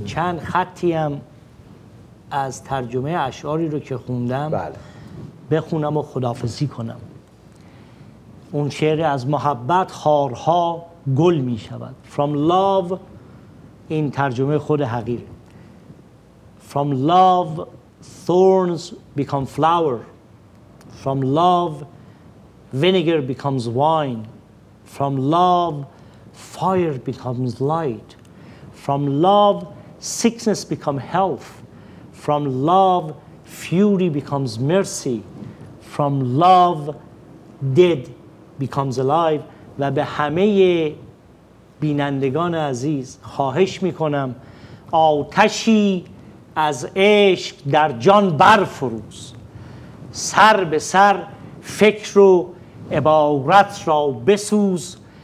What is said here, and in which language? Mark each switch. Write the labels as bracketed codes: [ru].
[fa] چند خطی هم از ترجمه اشعاری رو که خوندم بله. بخونم و خداحافظی کنم. اون شعر از محبت خارها گل می شود. [en] From love، [fa] این ترجمه خود حقیر. [en] From love thorns become flower. From love vinegar becomes wine. From love, fire becomes light. From love, sickness becomes health. From love, fury becomes mercy. From love, dead becomes alive. [fa] و به همه بینندگان عزیز خواهش میکنم آتشی از عشق در جان برفروز، سر به سر فکر و عبارت را بسوز.